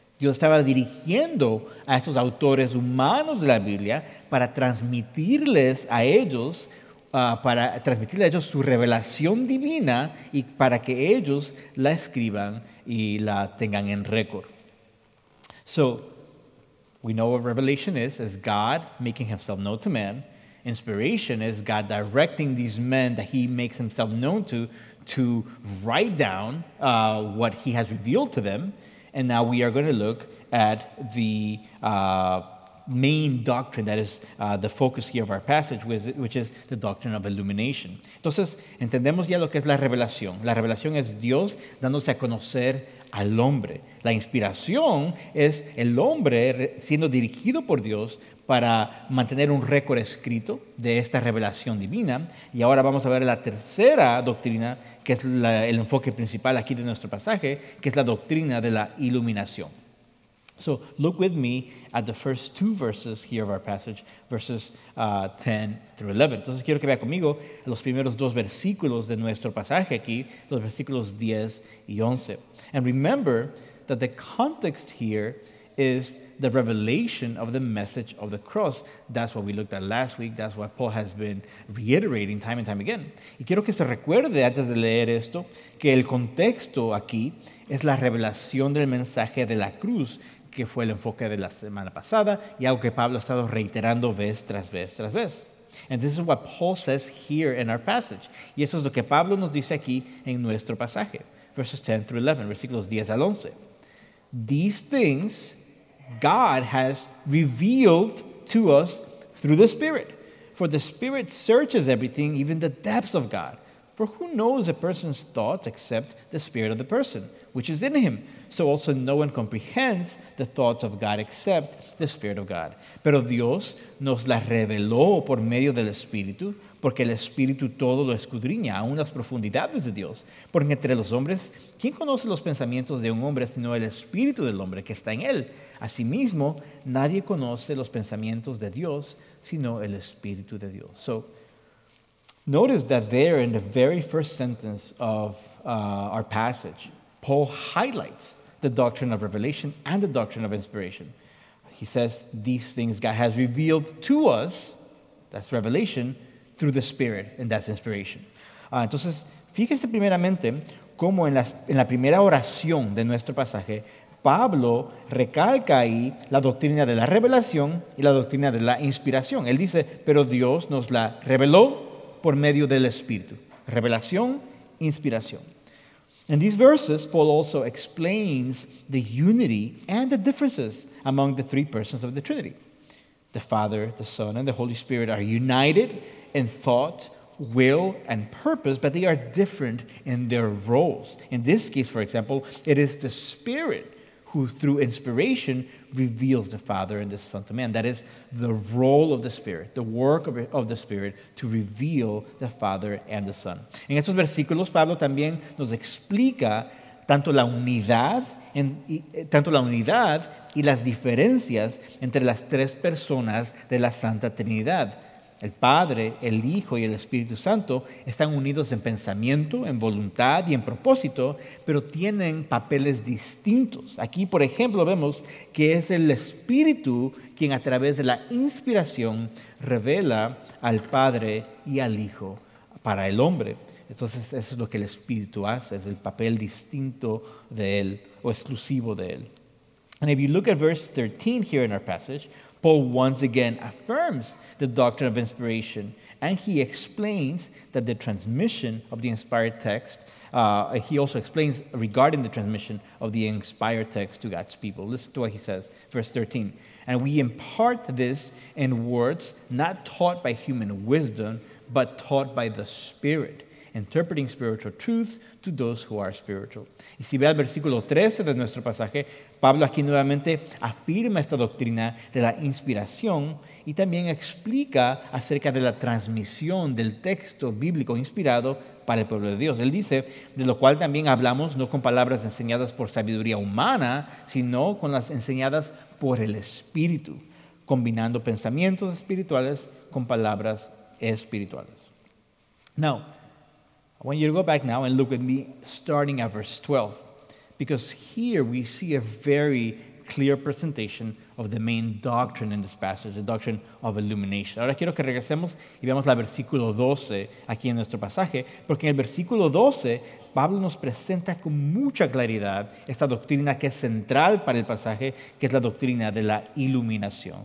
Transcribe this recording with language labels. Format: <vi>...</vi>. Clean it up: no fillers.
<es>Dios estaba dirigiendo a estos autores humanos de la Biblia para transmitirles a ellos, su revelación divina y para que ellos la escriban y la tengan en récord.</es> <en>So, we know what revelation is God making himself known to man. Inspiration is God directing these men that he makes himself known to write down what he has revealed to them. And now we are going to look at the main doctrine that is the focus here of our passage, which is the doctrine of illumination.</en> <es>Entonces, entendemos ya lo que es la revelación. La revelación es Dios dándose a conocer al hombre. La inspiración es el hombre siendo dirigido por Dios para mantener un récord escrito de esta revelación divina. Y ahora vamos a ver la tercera doctrina, que es el enfoque principal aquí de nuestro pasaje, que es la doctrina de la iluminación.</es> <en>So, look with me at the first two verses here of our passage, verses 10 through 11.</en> <es>Entonces, quiero que vea conmigo los primeros dos versículos de nuestro pasaje aquí, los versículos 10 y 11.</es> <en>And remember that the context here is the revelation of the message of the cross. That's what we looked at last week. That's what Paul has been reiterating time and time again.</en> <es>Y quiero que se recuerde antes de leer esto, que el contexto aquí es la revelación del mensaje de la cruz, que fue el enfoque de la semana pasada y algo que Pablo ha estado reiterando vez tras vez tras vez.</es> <en>And this is what Paul says here in our passage.</en> <es>Y eso es lo que Pablo nos dice aquí en nuestro pasaje.</es> <en>Verses 10 through 11,</en> <es>versículos 10 al 11.</es> <en>These things God has revealed to us through the Spirit. For the Spirit searches everything, even the depths of God. For who knows a person's thoughts except the spirit of the person which is in him. So also no one comprehends the thoughts of God except the Spirit of God.</en> <es>Pero Dios nos las reveló por medio del Espíritu, porque el Espíritu todo lo escudriña, aún las profundidades de Dios. Porque entre los hombres, ¿quién conoce los pensamientos de un hombre sino el Espíritu del hombre que está en él? Asimismo, nadie conoce los pensamientos de Dios sino el Espíritu de Dios.</es> <en>So, notice that there in the very first sentence of our passage, Paul highlights the doctrine of revelation and the doctrine of inspiration. He says, these things God has revealed to us, that's revelation, through the Spirit, and that's inspiration.</en> <es>Entonces, fíjese primeramente cómo en la primera oración de nuestro pasaje, Pablo recalca ahí la doctrina de la revelación y la doctrina de la inspiración. Él dice, pero Dios nos la reveló por medio del Espíritu. Revelación, inspiración.</es> <en>In these verses, Paul also explains the unity and the differences among the three persons of the Trinity. The Father, the Son, and the Holy Spirit are united in thought, will, and purpose, but they are different in their roles. In this case, for example, it is the Spirit who, through inspiration, reveals the Father and the Son to man. That is the role of the Spirit, the work of the Spirit, to reveal the Father and the Son.</en> <es>En estos versículos, Pablo también nos explica tanto la unidad y las diferencias entre las tres personas de la Santa Trinidad. El Padre, el Hijo y el Espíritu Santo están unidos en pensamiento, en voluntad y en propósito, pero tienen papeles distintos. Aquí, por ejemplo, vemos que es el Espíritu quien a través de la inspiración revela al Padre y al Hijo para el hombre. Entonces, eso es lo que el Espíritu hace, es el papel distinto de él o exclusivo de él.</es> <en>And if you look at verse 13 here in our passage, Paul once again affirms the doctrine of inspiration, and he explains that the transmission of the inspired text, he also explains regarding the transmission of the inspired text to God's people. Listen to what he says, verse 13. And we impart this in words not taught by human wisdom, but taught by the Spirit, interpreting spiritual truth to those who are spiritual.</en> <es>Y si ve el versículo 13 de nuestro pasaje, Pablo aquí nuevamente afirma esta doctrina de la inspiración y también explica acerca de la transmisión del texto bíblico inspirado para el pueblo de Dios. Él dice, de lo cual también hablamos no con palabras enseñadas por sabiduría humana, sino con las enseñadas por el Espíritu, combinando pensamientos espirituales con palabras espirituales.</es> <en>Now, I want you to go back now and look at me starting at verse 12. Because here we see a very clear presentation of the main doctrine in this passage, the doctrine of illumination.</en> <es>Ahora quiero que regresemos y veamos el versículo 12 aquí en nuestro pasaje, porque en el versículo 12, Pablo nos presenta con mucha claridad esta doctrina que es central para el pasaje, que es la doctrina de la iluminación.</es>